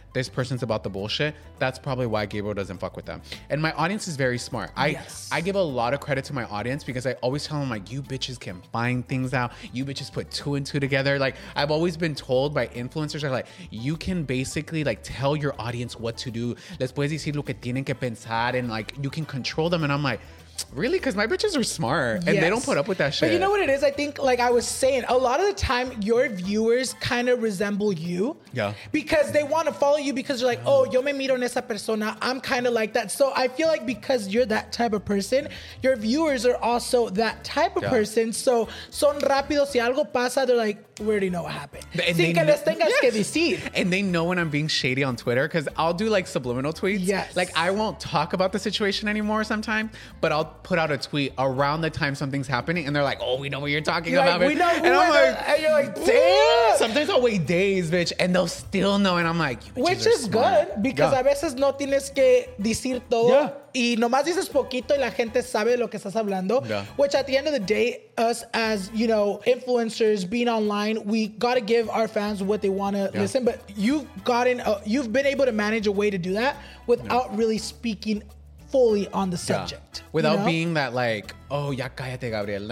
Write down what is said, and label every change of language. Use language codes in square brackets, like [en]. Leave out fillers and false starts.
[en] This person's about the bullshit. That's probably why Gabriel doesn't fuck with them. And my audience is very smart. I give a lot of credit to my audience because I always tell them like, you bitches can find things out. You bitches put two and two together. Like I've always been told by influencers are like, you can basically like tell your audience what to do. [es] Les puedes decir lo que tienen que pensar [en] and like you can control them. And I'm like, really? Because my bitches are smart and yes, they don't put up with that shit. But you know what it is? I think, like I was saying, a lot of the time your viewers kind of resemble you. Yeah. Because they want to follow you because you're like, oh, [es] yo me miro en esa persona. [en] I'm kind of like that. So I feel like because you're that type of person, your viewers are also that type of person. So [es] son rápidos. Si algo pasa, [en] they're like, we already know what happened. And they know, [es] les tengas que decir. [en] And they know when I'm being shady on Twitter because I'll do like subliminal tweets. Yes. Like I won't talk about the situation anymore sometimes, but I'll put out a tweet around the time something's happening and they're like, oh, we know what you're talking you're about. Like, we know and I'm like, and you're like, damn. Sometimes I'll wait days, bitch, and they'll still know. And I'm like, which is good because [es] a veces no tienes que decir todo. [en] Yeah. [es] Y nomás dices poquito y la gente sabe lo que estás hablando. [en] Yeah. Which at the end of the day, us as, you know, influencers being online, we got to give our fans what they want to listen. But you've gotten, you've been able to manage a way to do that without really speaking fully on the subject. Yeah. Without being that like, oh, [es] ya cállate, [en] Gabriel.